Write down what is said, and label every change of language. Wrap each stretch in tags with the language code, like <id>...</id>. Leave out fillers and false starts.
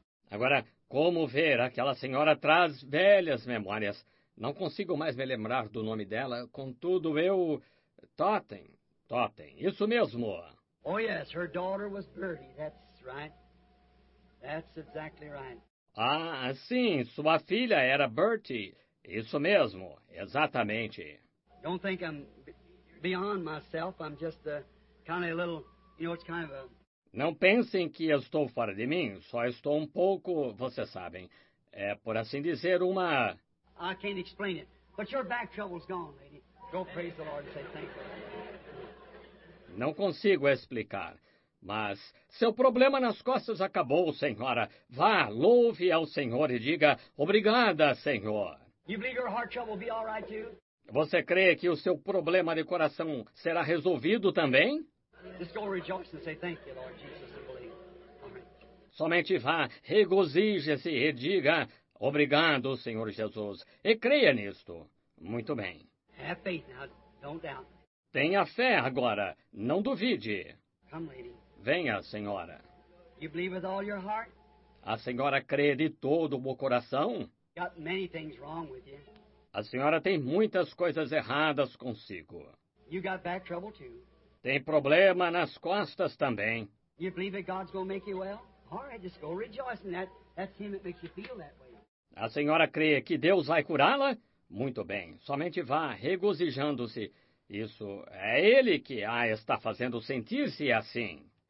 <pt>Agora, como ver, aquela senhora traz velhas memórias. Não consigo mais me lembrar do nome dela, contudo eu... Totten, Totten, isso mesmo.</pt> <en>Oh, yes, her daughter was Bertie, that's right. That's exactly right.</en> <pt>Ah, sim, sua filha era Bertie, isso mesmo, exatamente.</pt> <en>Don't think I'm beyond myself, I'm just kind of a little, you know, it's kind of a...</en> <pt>Não pensem que estou fora de mim, só estou um pouco, vocês sabem, é por assim dizer uma...</pt> <en>I can't explain it, but your back trouble's gone, lady. Go praise the Lord and say thank you.</en> <pt>Não consigo explicar, mas seu problema nas costas acabou, senhora. Vá, louve ao Senhor e diga, obrigada, Senhor.</pt> <en>You believe your heart trouble will be all right too?</en> <pt>Você crê que o seu problema de coração será resolvido também?</pt> <en>Just go rejoice and say thank you, Lord Jesus, and believe. All right.</en> <pt>Somente vá, regozije-se e diga, obrigado, Senhor Jesus, e creia nisto. Muito bem.</pt> <en>Have faith now, don't doubt.</en> <pt>Tenha fé agora, não duvide.</pt> <en>Come, lady.</en> <pt>Venha, senhora.</pt> <en>You believe with all your heart?</en> <pt>A senhora crê de todo o coração?</pt> <en>Got many things wrong with you.</en> <pt>A senhora tem muitas coisas erradas consigo.</pt> <en>You got back trouble too.</en> <pt>Tem problema nas costas também.</pt> <en>You believe that God's gonna make you well? All right, just go rejoice in that. That's him that makes you feel that way.</en> <pt>A senhora crê que Deus vai curá-la? Muito bem, somente vá regozijando-se. Isso é ele que a está fazendo sentir-se assim.</pt>